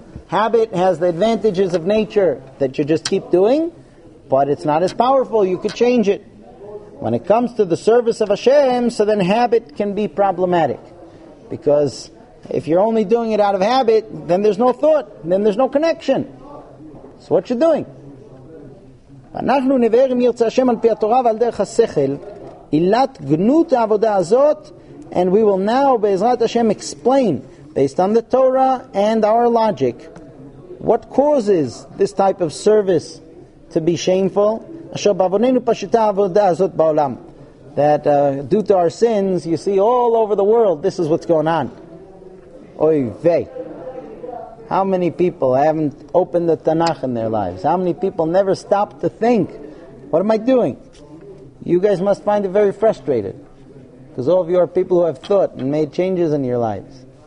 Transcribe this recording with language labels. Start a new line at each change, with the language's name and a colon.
English: Habit has the advantages of nature that you just keep doing, but it's not as powerful. You could change it. When it comes to the service of Hashem, so then habit can be problematic. Because if you're only doing it out of habit, then there's no thought, then there's no connection. So what you're doing?
Hebrew: אנחנו נברא מירצה השם על פי התורה ועל דרך השכל, עילת גנות העבודה הזאת,
English: and we will now, בעזרת השם, explain, based on the Torah and our logic, what causes this type of service to be shameful,
Hebrew: אשר בעבוננו פשטה העבודה הזאת בעולם.
English: That due to our sins, you see all over the world, this is what's going on. Oy vey. How many people haven't opened the Tanakh in their lives? How many people never stopped to think, what am I doing? You guys must find it very frustrated. Because all of you are people who have thought and made changes in your lives.